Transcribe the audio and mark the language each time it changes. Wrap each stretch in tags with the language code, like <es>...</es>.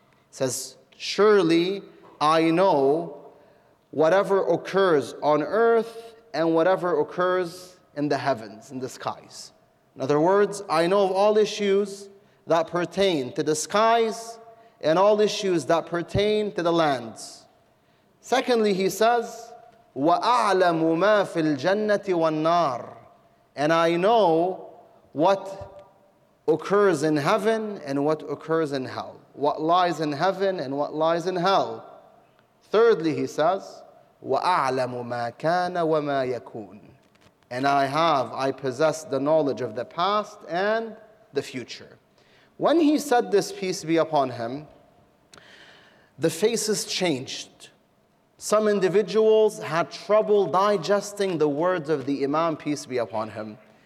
<en>Says, "Surely I know whatever occurs on earth and whatever occurs in the heavens, in the skies." In other words, I know of all issues that pertain to the skies and all issues that pertain to the lands. Secondly, he says,</en> <ar>وَأَعْلَمُ مَا فِي الْجَنَّةِ وَالنَّارِ.</ar> <en>And I know what occurs in heaven and what occurs in hell. What lies in heaven and what lies in hell. Thirdly, he says,</en> <ar>وَأَعْلَمُ مَا كَانَ وَمَا يَكُونَ.</ar> <en>And I possess the knowledge of the past and the future. When he said this, peace be upon him, the faces changed. Some individuals had trouble digesting the words of the Imam, peace be upon him.</en>